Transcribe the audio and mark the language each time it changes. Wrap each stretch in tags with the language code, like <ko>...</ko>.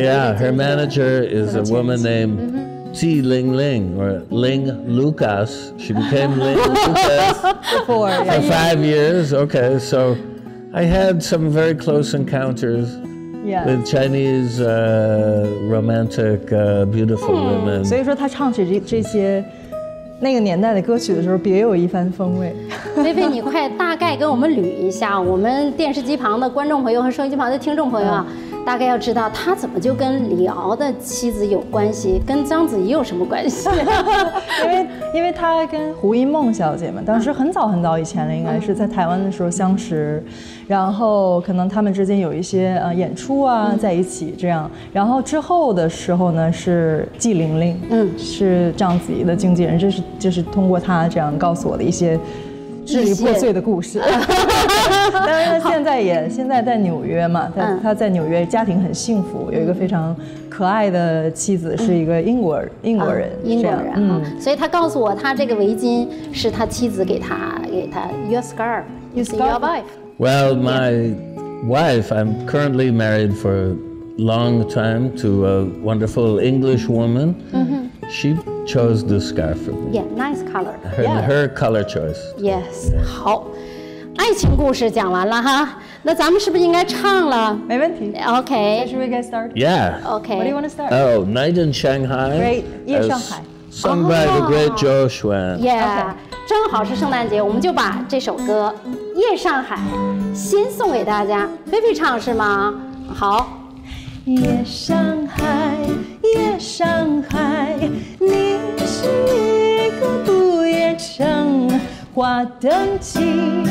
<en>Yeah, her manager is a woman named Ji Lingling or Ling Lucas. She became Ling Lucas for 5 years. Okay, so I had some very close encounters. Yeah. With Chinese romantic beautiful women.</en> <zh>所以说他唱起这些。那个年代的歌曲的时候别有一番风味。菲菲你快大概跟我们捋一下我们电视机旁的观众朋友和收音机旁的听众朋友啊，大概要知道他怎么就跟李敖的妻子有关系，跟章子怡有什么关系。因为他跟胡因梦小姐嘛，当时很早很早以前了，应该是在台湾的时候相识，然后可能他们之间有一些演出啊在一起这样，然后之后的时候呢是纪玲玲，是章子怡的经纪人，这是就是通过他这样告诉我的一些支离破碎的故事。但是他现在在纽约嘛，他在纽约家庭很幸福，有一个非常可爱的妻子，是一个英国人、英国人啊，所以他告诉我他这个围巾是他妻子给他</zh> <en>your scarf is your wife. Well, my wife, I'm currently married for a long time to a wonderful English woman. She chose the scarf for me. Yeah, nice color. Her color choice. Yes,</en> <zh>好。爱情故事讲完了哈，那咱们是不是应该唱了？没问题。</zh> <en>OK. Okay, should we get started? Yeah. Okay. What do you want to start? Oh, Night in Shanghai. Great. 夜上海。 Sung by the great Zhou Xuan. Yeah. Okay.</en> <zh>正好是圣诞节，我们就把这首歌《夜上海》先送给大家。菲菲唱是吗？好。夜上海，夜上海，你是一个不夜城，花灯起。</zh>